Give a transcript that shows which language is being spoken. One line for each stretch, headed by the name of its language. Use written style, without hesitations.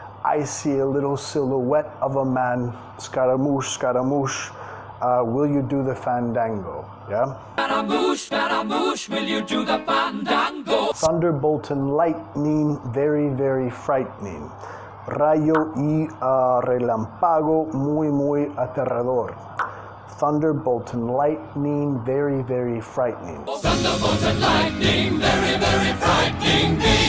English: I see a little silhouette of a man. Scaramouche. Will you do the fandango? Yeah? Scaramouche, will you do the fandango? Thunderbolt and lightning, very, very frightening.
Spanish: Rayo y relámpago, muy, muy aterrador.
English: Thunderbolt and lightning, very, very frightening. Thunderbolt and lightning, very, very frightening.